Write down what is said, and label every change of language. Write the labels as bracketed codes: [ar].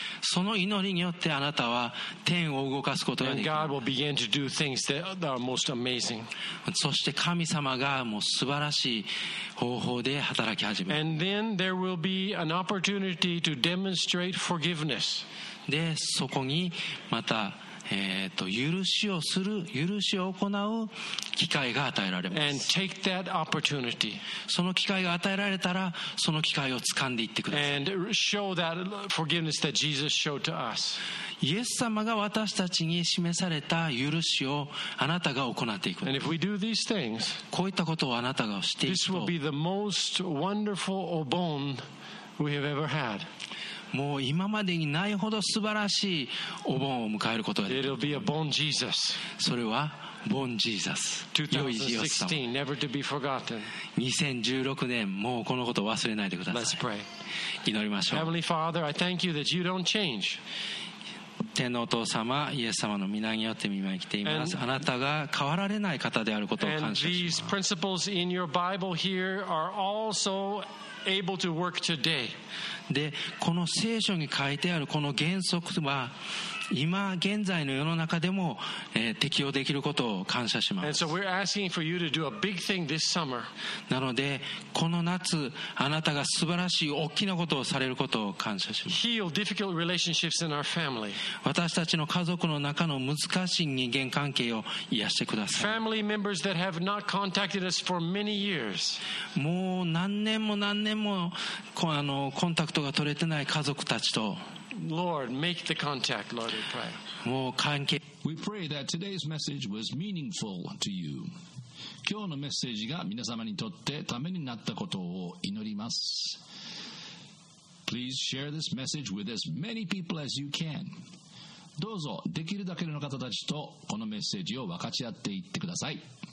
[ja] その祈りによってあなたは天を動かすことができる。 [en] And God will begin to do things that are most amazing. [ja] そして神様がもう素晴らしい方法で働き始める。 [en] And then there will be an opportunity to demonstrate forgiveness. [ja] でそこにまた許しをする許しを行う機会が与えられます。 [en] And take that opportunity. [ja] その機会が与えられたらその機会を掴んでいってください。 [en] And show that forgiveness that Jesus showed to us. [ja] イエス様が私たちに示された許しをあなたが行っていく。 [en] And if we do these things, [ja] こういったことをあなたがしていくと [en] this will be the most wonderful obon we have ever had. [ja] もう今までにないほど素晴らしいお盆を迎えることができる。 [en] It'll be a born Jesus. [ja] それはボンジーザス、良いイエス様。 [en] Never to be forgotten. [ja] 2016年もうこのことを忘れないでください。 [en] Let's pray. [ja] 祈りましょう。 [en] Heavenly Father, I thank you that you don't change. [ja] 天のお父様、イエス様の御名によって御前に来ています。 [en] And, [ja] あなたが変わられない方であることを感謝します。 [en] And these principles in your Bible here are also able to work today. [ja] でこの聖書に書いてあるこの原則は今現在の世の中でも、適用できることを感謝します。 [en] And so we're asking for you to do a big thing this summer. [ja] なのでこの夏あなたが素晴らしい大きなことをされることを感謝します。 [en] Heal difficult relationships in our family. [ja] 私たちの家族の中の難しい人間関係を癒してください。 [en] Family members that have not contacted us for many years. [ja] もう何年も何年もコンタクトが取れてない家族たちと [en] Lord, make the contact, Lord, we pray. [ja] もう関係。 [en] We pray that today's message was meaningful to you. [ja] 今日のメッセージが皆様にとってためになったことを祈ります。 [en] Please share this message with as many people as you can. [ja] どうぞできるだけの方たちとこのメッセージを分かち合っていってください。